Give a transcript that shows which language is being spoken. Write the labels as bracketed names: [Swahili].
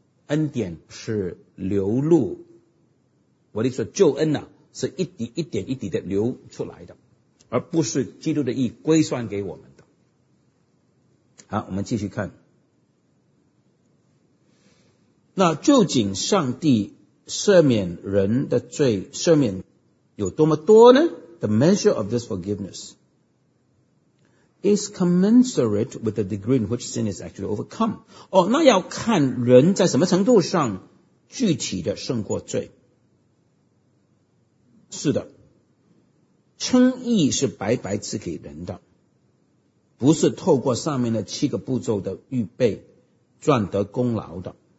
[Chinese] 恩典是流露，我的意思说救恩呢、啊、是一滴一点一滴的流出来的，而不是基督的义归算给我们的。好，我们继续看。那究竟上帝赦免人的罪赦免有多么多呢？ [English] The measure of this forgivenessis commensurate with the degree in which sin is actually overcome. [Chinese] 哦，那要看人在什么程度上具体的胜过罪。是的，称义是白白赐给人的，不是透过上面的七个步骤的预备赚得功劳的。